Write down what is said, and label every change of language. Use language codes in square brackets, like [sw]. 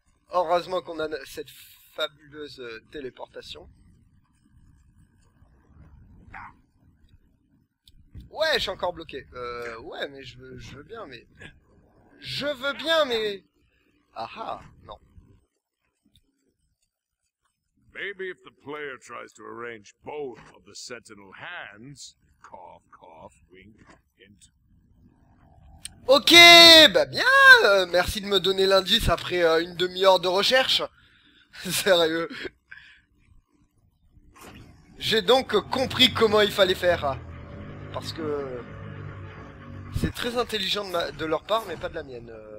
[fr] Heureusement qu'on a cette fabuleuse téléportation. Ouais, je suis encore bloqué. Ouais, mais je veux bien, mais... Ah ah, non. [en] Maybe if the player tries to arrange both of the sentinel hands, cough, cough, wink, hint. [fr] Ok, bah bien, merci de me donner l'indice après une demi-heure de recherche. Sérieux. J'ai donc compris comment il fallait faire. Parce que c'est très intelligent de leur part, mais pas de la mienne.